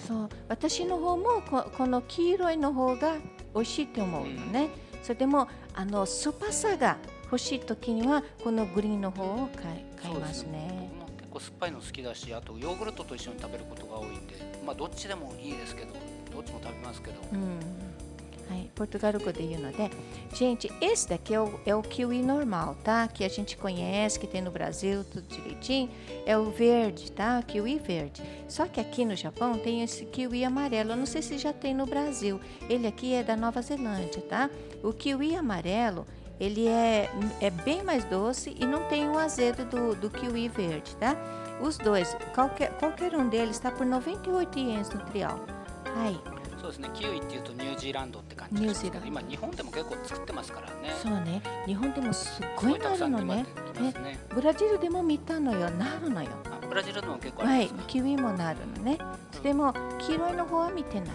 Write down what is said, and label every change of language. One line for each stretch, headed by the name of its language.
Japanese: そう、私の方も この黄色いの方が美味しいと思うのね、うん、それでもあの酸っぱさが欲しい時にはこのグリーンの方を買いますね。そうです、僕も結構酸っぱいの好きだし、あとヨーグルトと一緒に食べることが多いんで、まあどっちでもいいですけど、どっちも食べますけど、うん、はい、ポルトガル語で言うので、
Portuguese: gente, esse daqui é o kiwi normal, tá? Que a gente conhece, que tem no Brasil, tudo direitinho. É o verde, tá? Kiwi verde. Só que aqui no Japão tem esse kiwi amarelo. Não sei se já tem no Brasil. Ele aqui é da Nova Zelândia, tá? O kiwi amarelo, ele é bem mais doce e não tem o azedo do kiwi verde, tá? Os dois, qualquer um deles está por 98 ienes no trial. Aí.
Japanese: そうですね、キウイっていうとニュージーランドって感じですけど、今日本でも結構作ってますからね。そうね、日本でもすっごいなるの ね、ね、 ね、ブラジルでも見たのよ、なるのよ。あ、ブラジルでも結構あるんですか。はい、キウイもなるのね、うん、でも黄色いの方は見てない。